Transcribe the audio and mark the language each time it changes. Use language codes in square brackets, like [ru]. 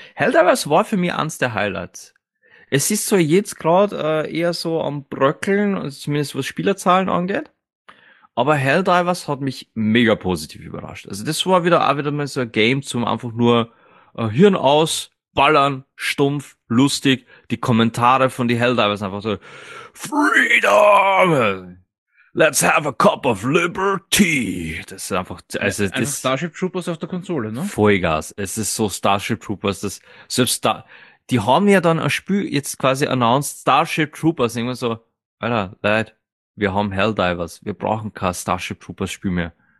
[de] Helldivers war für mich eins der Highlights. Es ist so jetzt gerade eher so am Bröckeln, zumindest was Spielerzahlen angeht. Aber Helldivers hat mich mega positiv überrascht. Also das war auch wieder mal so ein Game zum einfach nur Hirn aus, ballern, stumpf, lustig, die Kommentare von die Helldivers einfach so, Freedom! [en] Let's have a cup of liberty! [de] Das ist einfach, also, ja, das Starship Troopers auf der Konsole, ne? Vollgas, es ist so Starship Troopers, das, selbst da, die haben ja dann ein Spiel jetzt quasi announced, Starship Troopers, irgendwie so, Alter, Leute, wir haben Helldivers, wir brauchen kein Starship Troopers Spiel mehr.